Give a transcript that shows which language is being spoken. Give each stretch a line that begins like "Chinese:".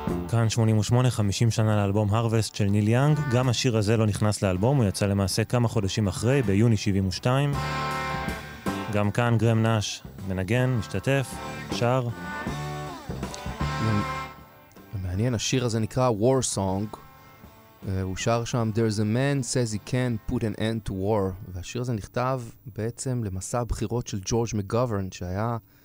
Hebrew: כאן 88, 50 שנה לאלבום הרווסט של ניל יאנג. גם השיר הזה לא נכנס לאלבום, הוא יצא למעשה כמה חודשים אחרי, ביוני 72. גם כאן גרם נאש מנגן, משתתף, שר. מעניין, השיר הזה נקרא War Song. הוא שר שם,
English: There's a man says he can put an end to war.
Hebrew: והשיר הזה נכתב בעצם למסע הבחירות של ג'ורג' מגוורן, שהיה...